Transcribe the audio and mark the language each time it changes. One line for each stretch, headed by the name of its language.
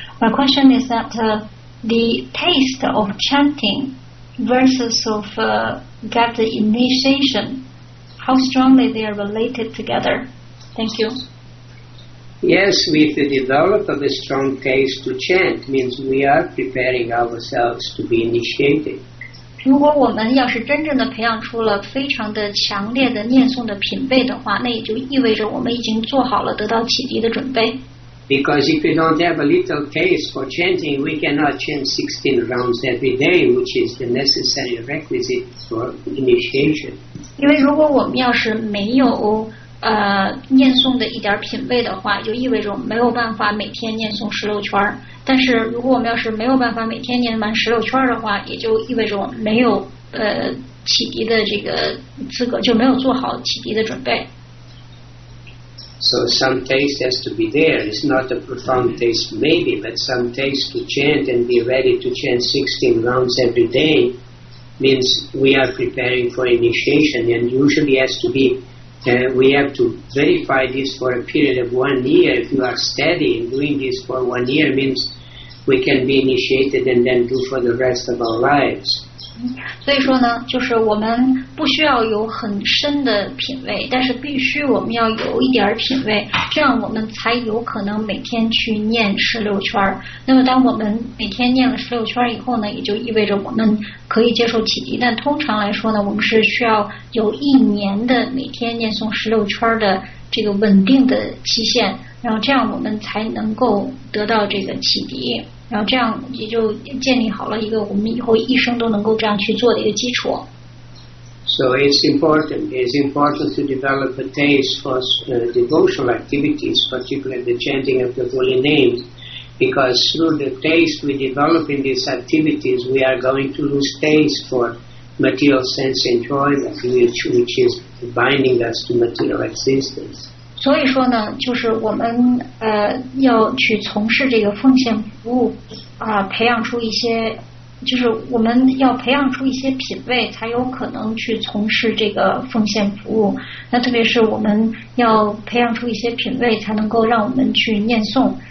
English: My question is that the taste of chanting versus of get the initiation, how strongly they are related together? Thank you. Yes, with the development of a strong case to chant means we are preparing ourselves to be initiated.
Chinese: 如果我们要是真正的培养出了非常的强烈的念诵的品位的话，那也就意味着我们已经做好了得到启迪的准备。
English: Because if we don't have a little case for chanting, we cannot chant 16 rounds every day, which is the necessary requisite for initiation.
Chinese: 因为如果我们要是没有念诵的一点品位的话，就意味着我们没有办法每天念诵十六圈。但是如果我们要是没有办法每天念满十六圈的话，也就意味着我们没有启迪的这个资格，就没有做好启迪的准备。
English: So some taste has to be there. It's not a profound taste, maybe, but some taste to chant and be ready to chant 16 rounds every day means we are preparing for initiation. And usually has to be, we have to verify this for a period of 1 year. If you are steady in doing this for 1 year, means we can be initiated and then do for the rest of our lives.
Chinese: 所以说呢，就是我们不需要有很深的品位，但是必须我们要有一点品位，这样我们才有可能每天去念十六圈。那么当我们每天念了十六圈以后呢，也就意味着我们可以接受启迪。但通常来说呢，我们是需要有一年的每天念诵十六圈的这个稳定的期限，然后这样我们才能够得到这个启迪。然后这样也就建立好了一个我们以后一生都能够这样去做的一个基础。
English: So it's important. It's important to develop a taste for devotional activities, particularly the chanting of the holy names, because through the taste we develop in these activities, we are going to lose taste for material sense enjoyment, which is binding us to material existence.
Chinese: 所以说呢，就是我们要去从事这个奉献服务培养出一些，就是我们要培养出一些品位，才有可能去从事这个奉献服务。那特别是我们要培养出一些品位，才能够让我们去念诵。